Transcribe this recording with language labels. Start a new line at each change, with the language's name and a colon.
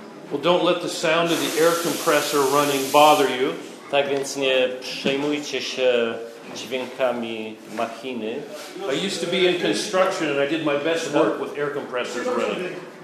English: Well, don't let the sound of the air compressor running bother you.
Polish: Tak więc nie przejmujcie się dźwiękami machiny.
English: I used to be in construction and I did my best work with air compressors running.